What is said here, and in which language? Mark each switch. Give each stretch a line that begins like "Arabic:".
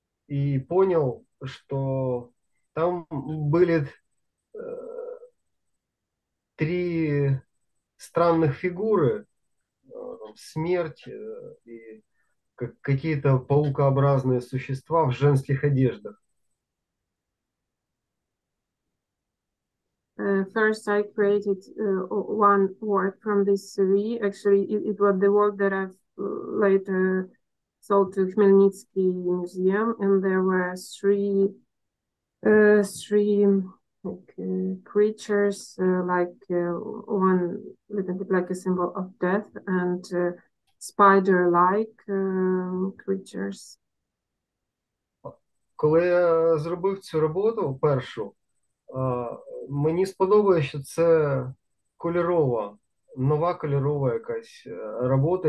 Russian: И понял, что там были три странных фигуры: смерть и какие-то паукообразные существа в женских одеждах.
English: First I created one work from this series. Actually, it was the work that I've later sold to Khmelnytsky Museum, and there were three like creatures, like one little like a symbol of death, and spider-like creatures.
Ukrainian: Коли я зробив цю роботу першу, мені сподобалося, що це кольорова, нова кольорова якась робота.